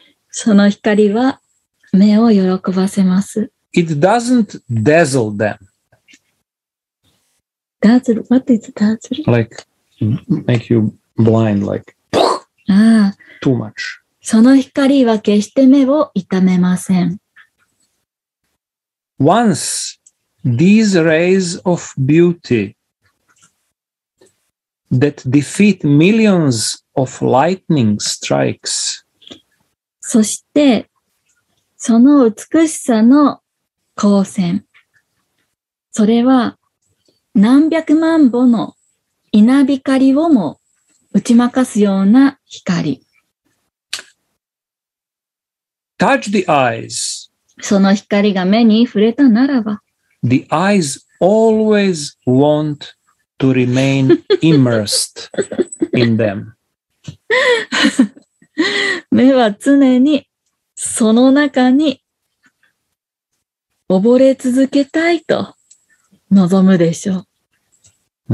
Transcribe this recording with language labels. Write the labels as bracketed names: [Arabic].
[Japanese] その光は目を喜ばせます。 [English] It doesn't dazzle them. Dazzle? What is dazzle? Like, make you blind, like, too much. [Japanese] その光は決して目を痛めません。 [English] Once,These rays of beauty that defeat millions of lightning strikes. [Japanese] そして、その美しさの光線、それは何百万歩の稲光をも打ち負かすような光。 [English] Touch the eyes. [Japanese] その光が目に触れたならば、 [English] The eyes always want to remain immersed in them. [Japanese] 目は常にその中に溺れ続けたいと望むでしょう。